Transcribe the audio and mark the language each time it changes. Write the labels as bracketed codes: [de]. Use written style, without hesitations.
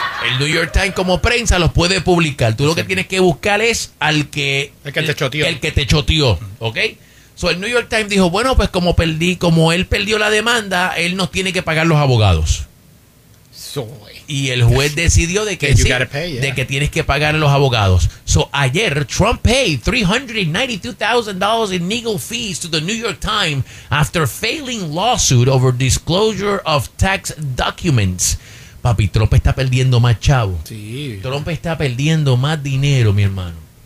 [es] El New York Times como prensa los puede publicar. Tú lo que tienes que buscar es al que te choteó, ¿ok? So el New York Times dijo, bueno, pues como él perdió la demanda, él nos tiene que pagar los abogados. Soy. Y el juez decidió de que tienes que pagar a los abogados. [en] So ayer Trump paid $392,000 in legal fees to the New York Times after failing lawsuit over disclosure of tax documents. [es] Papi, Trump está perdiendo más chavo. Sí. Trump está perdiendo más dinero, mi hermano.